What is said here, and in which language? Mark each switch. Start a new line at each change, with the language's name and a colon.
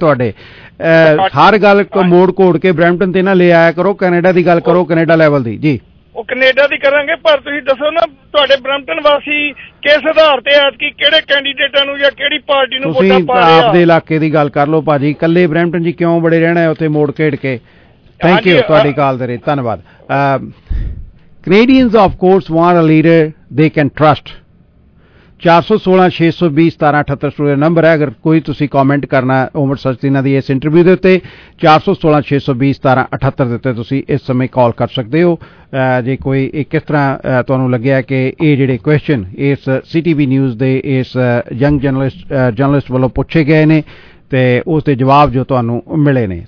Punjabi: ਤੁਹਾਡੇ ਹਰ ਗੱਲ ਮੋੜ ਘੋੜ ਕੇ ਬ੍ਰੈਂਟਨ 'ਤੇ ਨਾ ਲੈ ਆਇਆ ਕਰੋ, ਕੈਨੇਡਾ ਦੀ ਗੱਲ ਕਰੋ ਕੈਨੇਡਾ ਲੈਵਲ ਦੀ। ਜੀ ਉਹ ਕੈਨੇਡਾ ਦੀ ਕਰਾਂਗੇ, ਪਰ ਤੁਸੀਂ ਦੱਸੋ ਨਾ ਤੁਹਾਡੇ ਬ੍ਰੈਂਟਨ ਵਾਸੀ ਕਿਸ ਆਧਾਰ ਤੇ ਐਤਕੀ ਕਿਹੜੇ ਕੈਂਡੀਡੇਟਾਂ ਨੂੰ ਜਾਂ ਕਿਹੜੀ ਪਾਰਟੀ ਨੂੰ ਵੋਟਾਂ ਪਾ ਰਹੇ ਆ? ਆਪਦੇ ਇਲਾਕੇ ਦੀ ਗੱਲ ਕਰ ਲਓ ਭਾਜੀ, ਇਕੱਲੇ ਬ੍ਰੈਂਟਨ 'ਚ ਕਿਉਂ ਬੜੇ ਰਹਿਣਾ ਉੱਥੇ ਮੋੜ ਖੇਡ ਕੇ? ਥੈਂਕ ਯੂ ਤੁਹਾਡੀ ਕਾਲ ਦੇ ਰਹੇ, ਧੰਨਵਾਦ।
English: Canadians of course want a leader they can trust.
Punjabi: 416-620-7788 number ਹੈ ਅਗਰ ਕੋਈ ਤੁਸੀਂ ਕਮੈਂਟ ਕਰਨਾ ਓਮਰ ਸਚਦੀਨਾ ਦੀ ਇਸ ਇੰਟਰਵਿਊ ਦੇ ਉੱਤੇ। 416-620-7788 ਦੇ ਉੱਤੇ ਤੁਸੀਂ ਇਸ ਸਮੇਂ ਕਾਲ ਕਰ ਸਕਦੇ ਹੋ, ਜੇ ਕੋਈ ਕਿਸ ਤਰ੍ਹਾਂ ਤੁਹਾਨੂੰ ਲੱਗਿਆ ਕਿ ਇਹ ਜਿਹੜੇ ਕੁਐਸਚਨ ਇਸ CTV ਨਿਊਜ਼ ਦੇ ਇਸ ਯੰਗ ਜਰਨਲਿਸਟ ਵੱਲੋਂ ਪੁੱਛੇ ਗਏ ਨੇ ਅਤੇ ਉਸ ਦੇ ਜਵਾਬ ਜੋ ਤੁਹਾਨੂੰ ਮਿਲੇ ਨੇ।